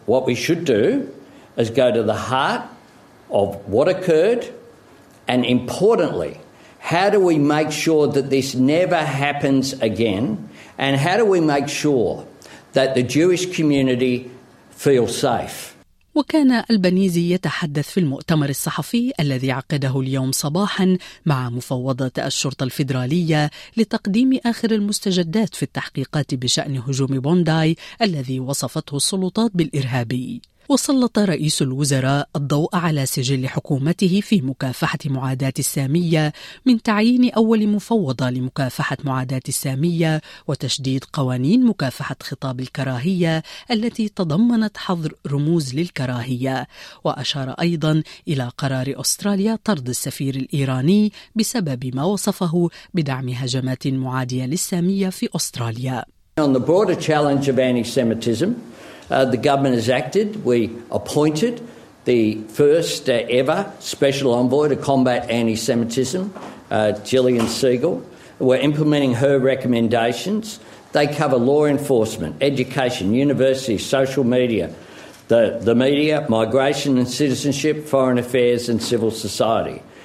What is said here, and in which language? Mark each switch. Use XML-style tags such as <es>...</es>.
<en>What we should do is go to the heart of what occurred, and importantly, how do we make sure that this never happens again, and how do we make sure that the Jewish community feels safe?</en> <ar>وكان البنيزي يتحدث في المؤتمر الصحفي الذي عقده اليوم صباحا مع مفوضة الشرطة الفيدرالية لتقديم آخر المستجدات في التحقيقات بشأن هجوم بونداي الذي وصفته السلطات بالإرهابي. وسلط رئيس الوزراء الضوء على سجل حكومته في مكافحة معاداة السامية من تعيين أول مفوضة لمكافحة معاداة السامية وتشديد قوانين مكافحة خطاب الكراهية التي تضمنت حظر رموز للكراهية. وأشار أيضا إلى قرار أستراليا طرد السفير الإيراني بسبب ما وصفه بدعم هجمات معادية للسامية في أستراليا.</ar> <en>On the broader challenge of anti-Semitism, the government has acted. We appointed the first ever special envoy to combat anti-Semitism, Gillian Siegel. We're implementing her recommendations. They cover law enforcement, education, universities, social media, the media, migration and citizenship, foreign affairs and civil society.</en>